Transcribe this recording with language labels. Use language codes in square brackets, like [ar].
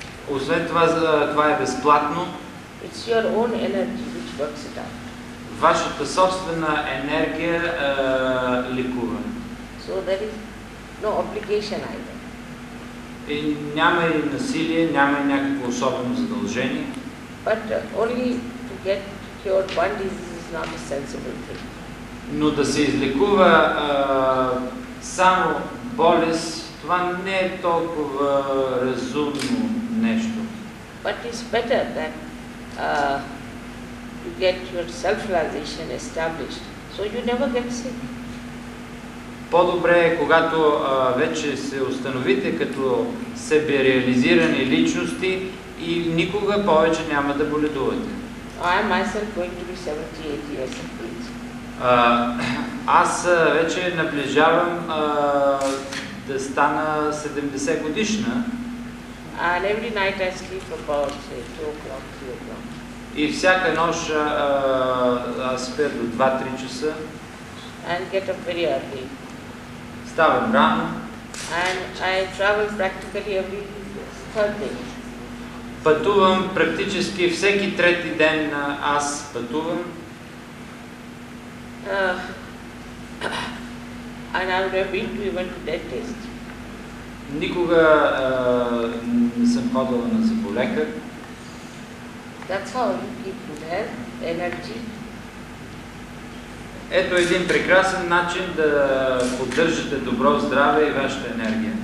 [bg] Освен това, това е безплатно. [en] It's your own energy which works it out. [bg] Вашата собствена енергия лекува. [en] So there is no obligation either. [bg] И няма и насилие, няма и някакво особено задължение. [en] But only to get cured one disease is not a sensible thing. [bg] Но да се излекува само болест, това не е толкова разумно нещо. [en] But it's better that you get your self-realization established, so you never get sick. [bg] По-добре е, когато вече се установите като себе-реализирани личности и никога повече няма да боледувате. [en] I am myself going to be 78 years of age. [bg] Аз вече наближавам да стана 70 годишна. [en] And every night I sleep about 2 o'clock, 3 o'clock. [bg] И всяка нощ аз спя до 2-3 часа. [en] And get up very early. [bg] Ставам рано. [en] And I travel practically every third day. [bg] Пътувам практически всеки трети ден аз пътувам. [en] And I would have been to even to dentist. [bg] Никога не съм ходила на зъболекар. [en] That's how you keep good health, energy. [bg] Ето един прекрасен начин да поддържате добро здраве и вашата енергия.